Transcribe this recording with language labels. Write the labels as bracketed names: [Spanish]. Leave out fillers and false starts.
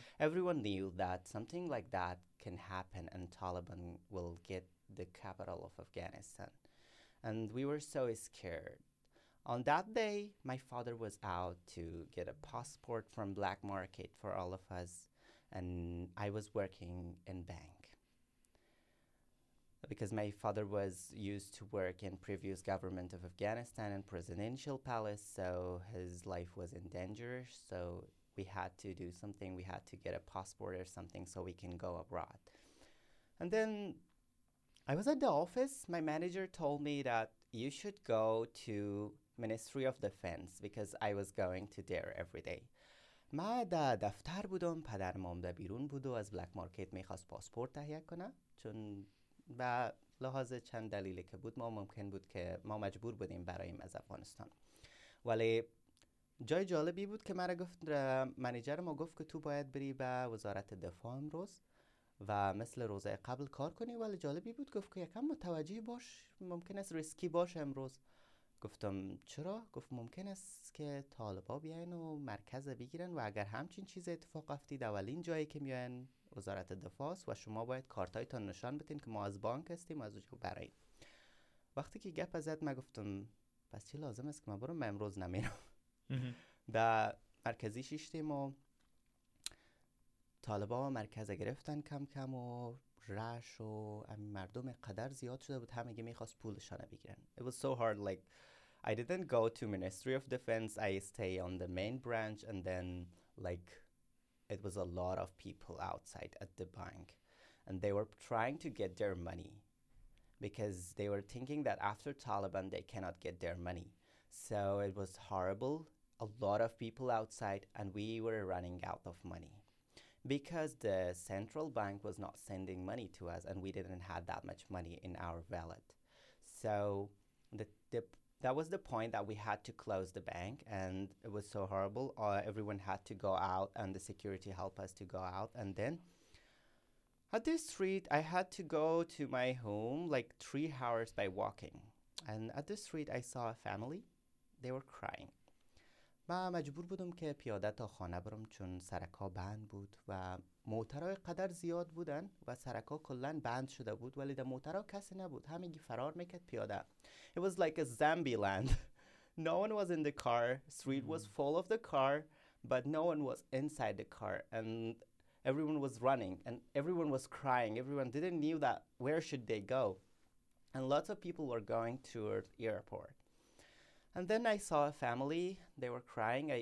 [English] Everyone knew that something like that can happen and Taliban will get the capital of Afghanistan. And we were so scared. On that day, my father was out to get a passport from black market for all of us, and I was working in bank. Because my father was used to work in previous government of Afghanistan and presidential palace, so his life was in danger, so we had to do something, we had to get a passport or something so we can go abroad. And then I was at the office, my manager told me that you should go to Ministry of Defense, because I was going to there every day. [Persian] ما در دفتر بودم، پدرم هم در بیرون بود و از بلک مارکت میخواست پاسپورت تهیه کنه چون به لحاظ چند دلیلی که بود ما ممکن بود که ما مجبور بودیم برایم از افغانستان. ولی جای جالبی بود که منیجر ما گفت که تو باید بری به وزارت دفاع امروز و مثل روزه قبل کار کنی، ولی جالبی بود گفت که یکم متوجه باش، ممکن است ریسکی باش امروز. گفتم چرا؟ گفت ممکن است که طالبا بیاین و مرکز بگیرن و اگر همچین چیز اتفاق افتید اولین جایی که میاین وزارت دفاع است و شما باید کارتایتان نشان بدین که ما از بانک هستیم و از اونجا براییم. وقتی که گپ ازت من گفتم پس چی لازم است که من برم؟ من امروز نمیرم. در مرکزی شیشتیم و طالبا مرکز گرفتن کم کم و رش و مردم قدر زیاد شده بود همه گه میخواست پولشانه بگیرن. [English] It was so hard, like I didn't go to Ministry of Defense, I stay on the main branch and then like it was a lot of people outside at the bank and they were trying to get their money because they were thinking that after Taliban they cannot get their money. So it was horrible, a lot of people outside and we were running out of money. because the central bank was not sending money to us and we didn't have that much money in our wallet. So that was the point that we had to close the bank, and it was so horrible. Everyone had to go out and the security helped us to go out. And then at this street, I had to go to my home like 3 hours by walking. And at this street, I saw a family. They were crying. [Persian] من مجبور بودم که پیاده تا خانه برم چون سرکا بند بود و موترهای قدر زیاد بودن و سرکا کلن بند شده بود ولی در موترها کسی نبود همینگی فرار میکرد پیاده [English] It was like a zombie land No one was in the car Street was full of the car But no one was inside the car And everyone was running And everyone was crying Everyone didn't knew that where should they go And lots of people were going toward the airport And then I saw a family, they were crying.